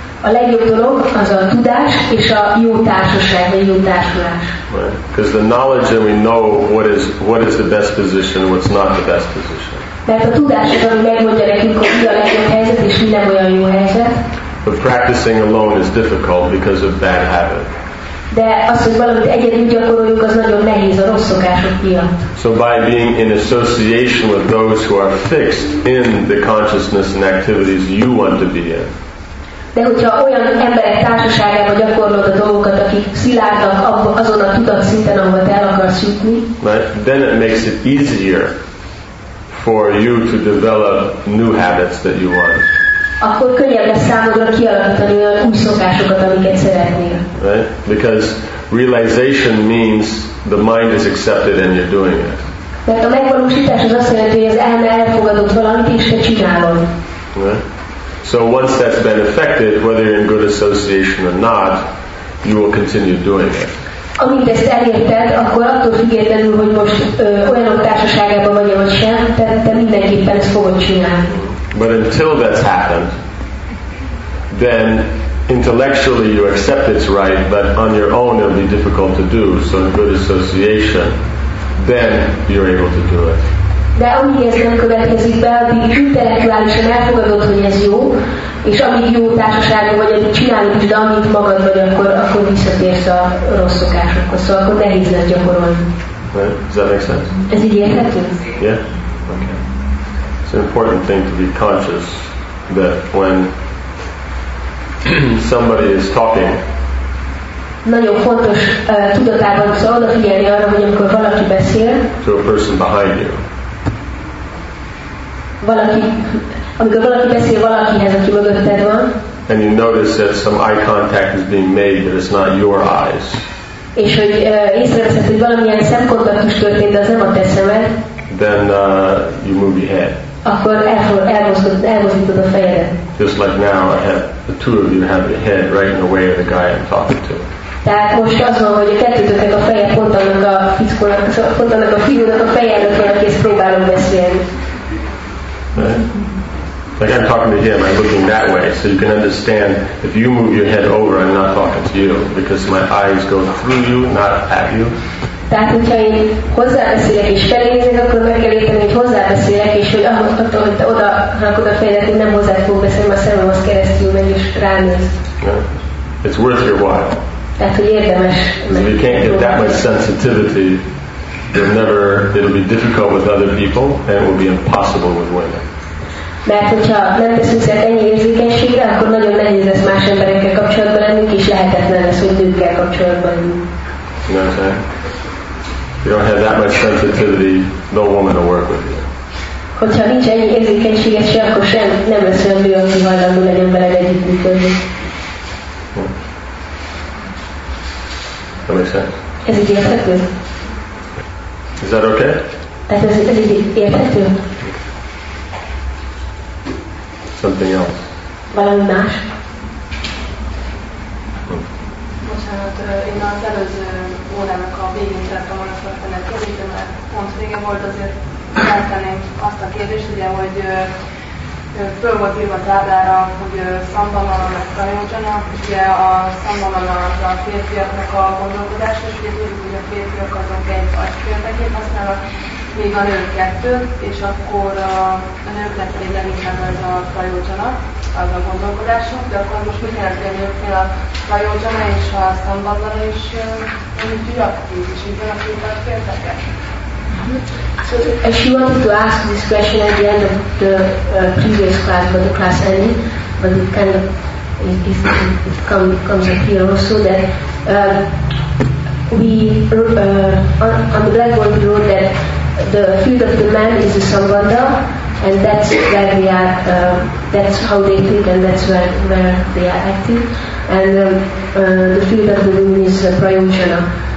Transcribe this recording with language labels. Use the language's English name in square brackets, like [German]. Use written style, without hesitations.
[Hungarian] A legjobb dolog az a tudás és a jó társaság, vagy jó társulás. [English] Right. Because the knowledge and we know what is the best position, what's not the best position. [Hungarian] Mert a tudás az, ami megmondja nekünk, hogy mi a legjobb helyzet és mi nem olyan jó helyzet. [English] But practicing alone is difficult because of bad habit. [Hungarian] De az, hogy valamit egyedül gyakoroljuk, az nagyon nehéz a rossz szokások miatt. [English] So by being in association with those who are fixed in the consciousness and activities you want to be in. [Hungarian] De hogyha olyan emberek társaságában gyakorlod a dolgokat, akik szilárdak azon a tudatszinten, ahova te el akarsz jutni. [English] Right? Then it makes it easier for you to develop new habits that you want. [Hungarian] Akkor könnyebb lesz számodra kialakítani olyan új szokásokat, amiket szeretnél. [English] Right? Because realization means the mind is accepted and you're doing it. [Hungarian] Mert a megvalósítás az azt jelenti, hogy az elme elfogadott valamit és te csinálod. [English] So once that's been affected, whether you're in good association or not, you will continue doing it. [Hungarian] Amint ezt elérted, akkor attól függetlenül, hogy most olyanok társaságában vagy, vagy sem, te mindenképpen ezt fogod csinálni. [English] But until that's happened, then intellectually you accept it's right, but on your own it'll be difficult to do. So in good association, then you're able to do it. [Hungarian] De amíg ez nem következik be, addig intellektuálisan elfogadod, hogy ez jó, és amíg jó társaságban vagy, amíg csinálod is, de amíg magad vagy, akkor visszatérsz a rossz szokásokhoz. Szóval akkor nehéz lesz gyakorolni. [English] Does that make sense? [Hungarian] Ez így érthető? [English] Yeah. It's an important thing to be conscious that when somebody is talking. [Hungarian] Nagyon fontos tudatában szóval figyelni arra, hogy amikor valaki beszél. [English] To a person behind you. [Hungarian] Valaki, amikor valaki beszél valakihez, aki mögötted van. [English] And you notice that some eye contact is being made, but it's not your eyes. [Hungarian] És hogy észreveszed, hogy valamilyen szemkontaktus történt, de az nem a te szemed. [English] Then you move your head. [Hungarian] Akkor elmozdítod a fejedet. [English] Just like now, I have the two of you have your head right in the way of the guy I'm talking to. [Hungarian] Tehát most az van, hogy a kettőtöknek a feje pont annak a fickónak, pont annak a fiúnak a feje előtt van, akihez próbálom beszélni. [English] Right? Like I'm talking to him, I'm looking that way, so you can understand if you move your head over, I'm not talking to you, because my eyes go through you, not at you. [Hungarian] Tehát, hogyha én hozzábeszélek és felnézek, akkor meg kell érteni, hogy hozzábeszélek, és hogy ahhoz, hogy te oda rakod a fejedet, én nem hozzád fogok beszélni, mert a szemem az keresztül megy és ránéz. [English] Yeah. It's worth your while. [Hungarian] Tehát, hogy érdemes. [English] If you can't get that much sensitivity, it'll be difficult with other people, and it will be impossible with women. [Hungarian] Mert hogyha nem teszünk szert ennyi érzékenységre, akkor nagyon nehéz lesz más emberekkel kapcsolatban lennünk, és lehetetlen lesz, hogy nőkkel kapcsolatban lennünk. [English] You don't have that much sensitivity, no woman to work with you. [Hungarian] Hogyha nincs ennyi érzékenységet se, akkor sem, nem lesz olyan nő, aki hajlandó legyen veled együtt működni. Ez így érthető? [English] Is that okay? [Hungarian] Tehát ez így érthető? [English] Something else. [Hungarian] Valami más? Bocsánat, én az előző órának a végén szerettem volna feltenni a kérdést, mert pont vége volt, azért feltenném azt a kérdést, ugye, hogy föl volt írva a táblára, hogy szambamala meg prajócsana, ugye a szambamala az a férfiaknak a gondolkodás, és ugye tudjuk, hogy a férfiak azok egy agyfélbekét használnak, még a nők kettő, és akkor a nőknek pedig leginkább ez a prajócsana, az a gondolkodásunk, de akkor most mit jelenti a nőknél a prajócsana és a szambamala, és mondjuk gyaktív, és így van a férfiaknak. [English] So she wanted to ask this question at the end of the previous class, but the class ended, but it kind of it comes up here also that on the blackboard we wrote that the field of the man is the Sambandha, and that's where they are, that's how they think, and that's where they are acting, and the field of the woman is the Prayojana.